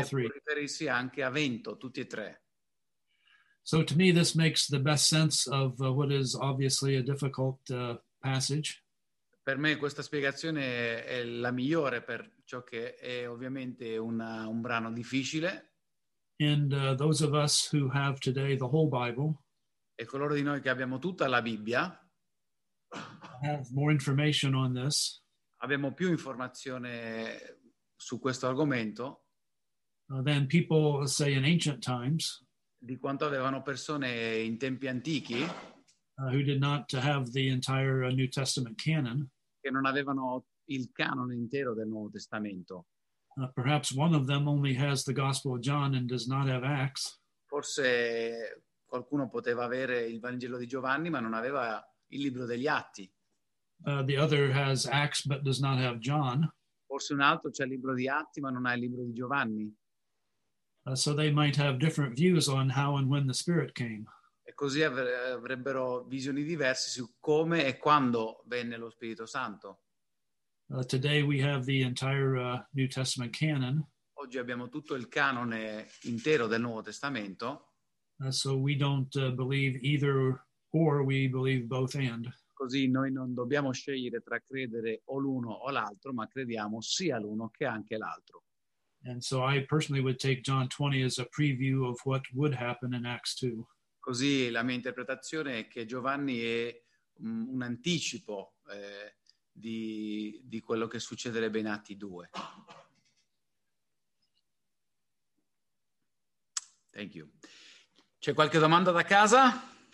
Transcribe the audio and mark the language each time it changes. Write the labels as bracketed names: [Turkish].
[Italian] e [English] three. [Italian] E può riferirsi anche a vento, tutti e tre. [English] So to me this makes the best sense of what is obviously a difficult passage. [Italian] Per me questa spiegazione è la migliore per ciò che è ovviamente un brano difficile. [English] And those of us who have today the whole Bible, [Italian] e coloro di noi che abbiamo tutta la Bibbia, [English] have more information on this. [Italian] Abbiamo più informazione su questo argomento [English] than people say in ancient times, [Italian] di quanto avevano persone in tempi antichi, [English] who did not have the entire New Testament canon, [Italian] che non avevano il canone intero del Nuovo Testamento. [English] Perhaps one of them only has the Gospel of John and does not have Acts. [Italian] Forse qualcuno poteva avere il Vangelo di Giovanni ma non aveva il libro degli Atti. [English] The other has Acts but does not have John. [Italian] Forse un altro c'è il libro di Atti ma non ha il libro di Giovanni. [English] So they might have different views on how and when the Spirit came. [Italian] E così avrebbero visioni diverse su come e quando venne lo Spirito Santo. [English] Today we have the entire New Testament canon. [Italian] Oggi abbiamo tutto il canone intero del Nuovo Testamento. [English] So we don't believe either or, we believe both and. [Italian] Così noi non dobbiamo scegliere tra credere o l'uno o l'altro, ma crediamo sia l'uno che anche l'altro. [English] And so I personally would take John 20 as a preview of what would happen in Acts 2. [Italian] Così la mia interpretazione è che Giovanni è un anticipo di quello che succederebbe in Atti 2. [English] Thank you. [Italian] C'è qualche domanda da casa?